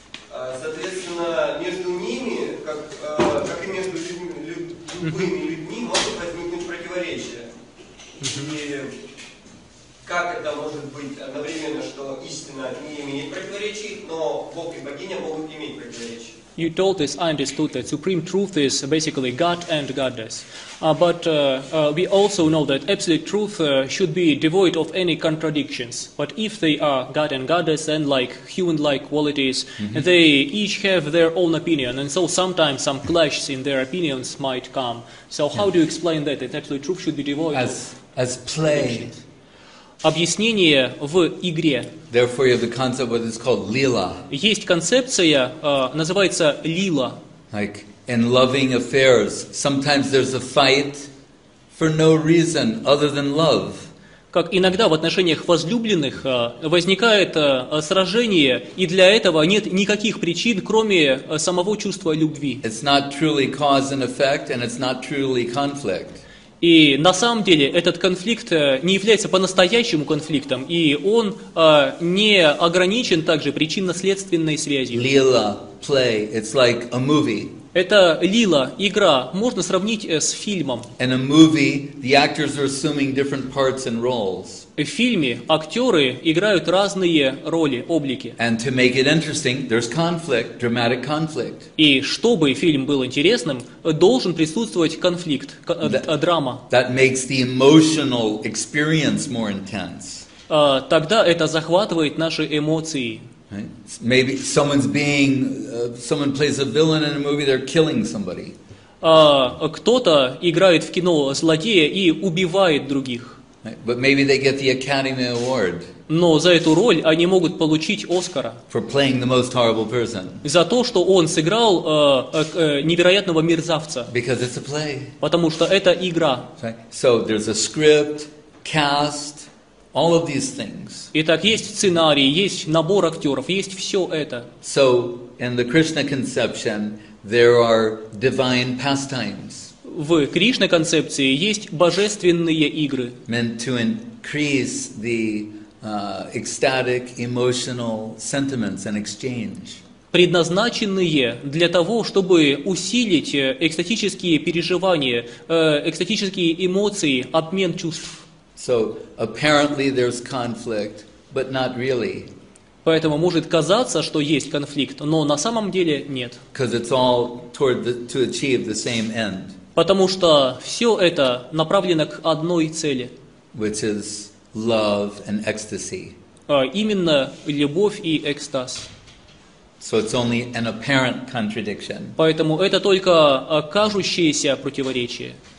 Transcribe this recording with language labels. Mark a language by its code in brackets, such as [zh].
[ru] Соответственно, между ними, как и между любыми людьми, могут возникнуть противоречия. И как это может быть одновременно, что истина не имеет противоречий, но Бог и богиня могут иметь противоречия? [en] You told this, I understood that supreme truth is basically God and Goddess. We also know that absolute truth should be devoid of any contradictions. But if they are God and Goddess and like human-like qualities, mm-hmm. they each have their own opinion. And so sometimes some clashes in their opinions might come. So how yes. do you explain that, that absolute truth should be devoid as play. [ru] Объяснение в игре. [en] Therefore, you have the concept of what is called lila. [ru] Есть концепция, называется лила. [en] Like in loving affairs, sometimes there's a fight for no reason other than love. [ru] Как иногда в отношениях возлюбленных возникает сражение, и для этого нет никаких причин, кроме самого чувства любви. [en] It's not truly cause and effect, and it's not truly conflict. [ru] И на самом деле этот конфликт не является по-настоящему конфликтом, и он не ограничен также причинно-следственной связью. [en] Лила, play, it's like a movie. [ru] Это лила, игра, можно сравнить с фильмом. [en] In a movie, the actors are assuming different parts and roles. [ru] В фильме актеры играют разные роли, облики. [en] And to make it interesting, there's conflict, dramatic conflict. [ru] И чтобы фильм был интересным, должен присутствовать конфликт, драма. [en] That makes the emotional experience more intense. [ru] Тогда это захватывает наши эмоции. [en] Right? Maybe someone plays a villain in a movie, they're killing somebody. [ru] Кто-то играет в кино злодея и убивает других. [en] Right? But maybe they get the Academy Award. [ru] Но за эту роль они могут получить Оскара. [en] For playing the most horrible person. [ru] За то, что он сыграл невероятного мерзавца. [en] Because it's a play. [ru] Потому что это игра. [en] Right? So there's a script, cast, all of these things. [ru] Итак, есть сценарий, есть набор актеров, есть все это. [en] So in the Krishna conception, there are divine pastimes. [ru] В Кришна концепции есть божественные игры. [en] Meant to increase the ecstatic emotional sentiments and exchange. [ru] Предназначенные для того, чтобы усилить экстатические переживания, экстатические эмоции, обмен чувств. [en] So apparently there's conflict, but not really. [ru] Поэтому может казаться, что есть конфликт, но на самом деле нет. [en] Because it's all toward the, to achieve the same end. [ru] Потому что все это направлено к одной цели. [en] Which is love and ecstasy. [ru] Именно любовь и экстаз. [en] So it's only an apparent contradiction. [ru] Поэтому это только кажущееся противоречие.